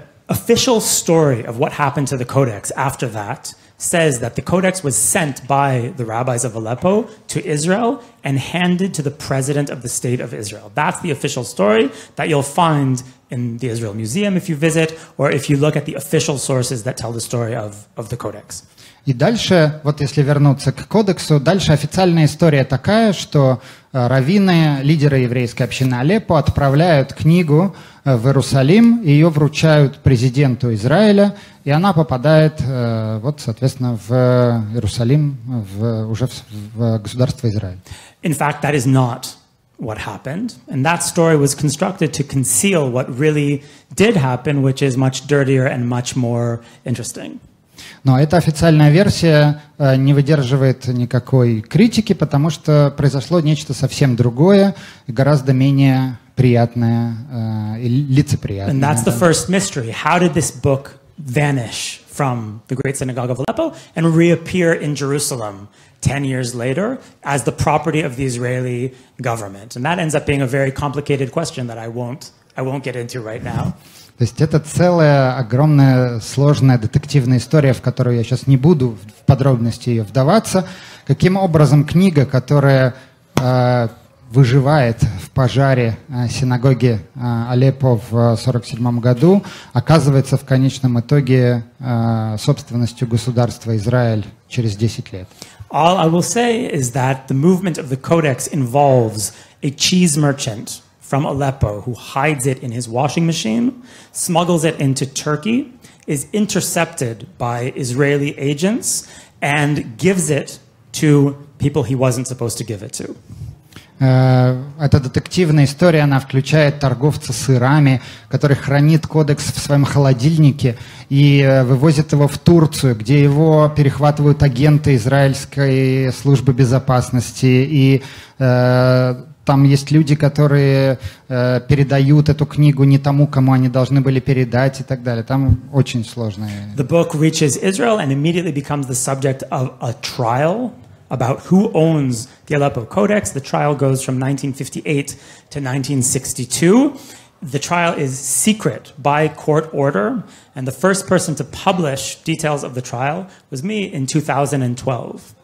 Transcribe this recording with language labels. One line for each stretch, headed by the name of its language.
English: Official story of what happened to the Codex after that says that the Codex was sent by the rabbis of Aleppo to Israel and handed to the president of the state of Israel. That's the official story that you'll find in the Israel Museum if you visit, or if you look at the official sources that tell the story of the Codex.
Russian: И дальше, вот если вернуться к кодексу, дальше официальная история такая, что раввины, лидеры еврейской общины Алеппо отправляют книгу в Иерусалим, ее вручают президенту Израиля, и она попадает, вот, соответственно, в Иерусалим, в государство Израиль.
English: In fact, that is not what happened. And that story was constructed to conceal what really did happen, which is much dirtier and much more interesting.
Russian: Но эта официальная версия не выдерживает никакой критики, потому что произошло нечто совсем другое, гораздо менее приятное и лицеприятное.
English: And that's the first mystery. How did this book vanish from the Great Synagogue of Aleppo and reappear in Jerusalem 10 years later as the property of the Israeli government? And that ends up being a very complicated question that I won't get into right now.
Russian: То есть это целая, огромная, сложная детективная история, в которую я сейчас не буду в подробности ее вдаваться. Каким образом книга, которая выживает в пожаре синагоги Алеппо в 47-м году, оказывается в конечном итоге собственностью государства Израиль через 10 лет?
English: All I will say is that the movement of the Codex involves a cheese merchant from Aleppo, who hides it in his washing machine, smuggles it into Turkey, is intercepted by Israeli agents, and gives it to people he wasn't supposed to give it to.
Russian: Эта детективная история, она включает торговца сырами, который хранит кодекс в своем холодильнике и вывозит его в Турцию, где его перехватывают агенты израильской службы безопасности. И там есть люди, которые передают эту книгу не тому, кому они должны были передать и так далее. Там очень сложная.
English: The book reaches Israel and immediately becomes the subject of a trial about who owns the Aleppo Codex. The trial goes from 1958 to 1962. The trial is secret by court order, and the first person to publish details of the trial was me in 2012.